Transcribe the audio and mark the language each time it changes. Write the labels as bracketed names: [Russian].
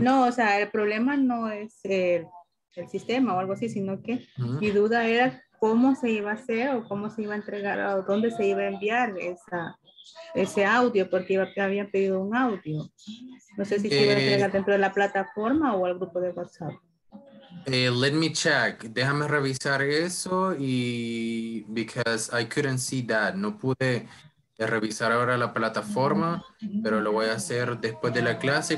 [Spanish] No, o sea, el problema no es el sistema o algo así, sino que uh-huh. mi duda era cómo se iba a hacer o cómo se iba a entregar o dónde se iba a enviar ese audio, porque había pedido un audio. No sé si se iba a entregar dentro de la plataforma o al grupo de WhatsApp. [English] Let me check. [Spanish] Déjame revisar eso y [English] because I couldn't see that. [Spanish] No pude revisar ahora la plataforma, pero lo voy a hacer después de la clase.